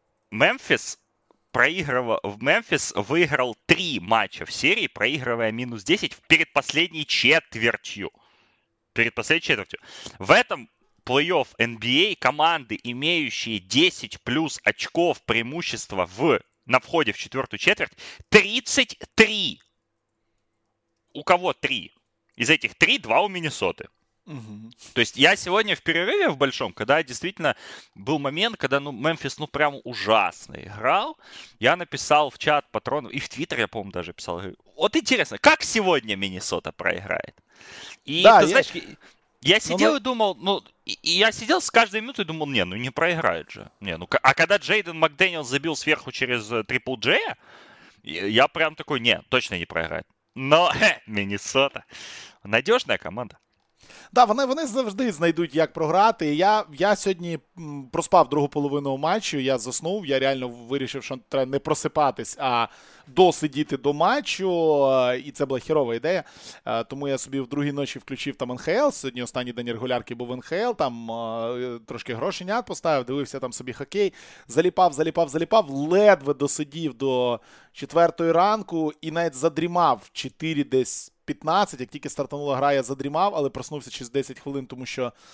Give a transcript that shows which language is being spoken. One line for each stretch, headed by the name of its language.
Ukrainian: Мемфіс проігрував, Мемфіс виграв 3 матчі в серії, проігрывая мінус 10 в передпоследній четвертью.
Russian: В этом плей-офф NBA команды, имеющие 10 плюс очков преимущества на входе в четвертую четверть, 33. У кого 3? Из этих 3, 2 у Миннесоты. Угу. То есть я сегодня в перерыве в большом, когда действительно был момент, когда ну, Мемфис ну прям ужасно играл, я написал в чат патронов, и в Твиттер я, по-моему, даже писал, говорю, вот интересно, как сегодня Миннесота проиграет? И да, ты знаешь, я сидел и думал, ну, и я сидел с каждой минутой и думал, не, ну не проиграет же. Не, ну, а когда Джейден МакДэниел забил сверху через трипл Джея, я прям такой, не, точно не проиграет. Но Миннесота, надежная команда.
Ukrainian: Да, вони завжди знайдуть, як програти. Я сьогодні проспав другу половину матчу, я заснув, я реально вирішив, що треба не просипатись, а досидіти до матчу, і це була хірова ідея. Тому я собі в другій ночі включив там НХЛ, сьогодні останній день регулярки був НХЛ, там трошки грошенят поставив, дивився там собі хокей, заліпав, ледве досидів до четвертої ранку і навіть задрімав 4 десь, 15, як тільки стартанула гра, я задрімав, але проснувся через 10 хвилин, тому що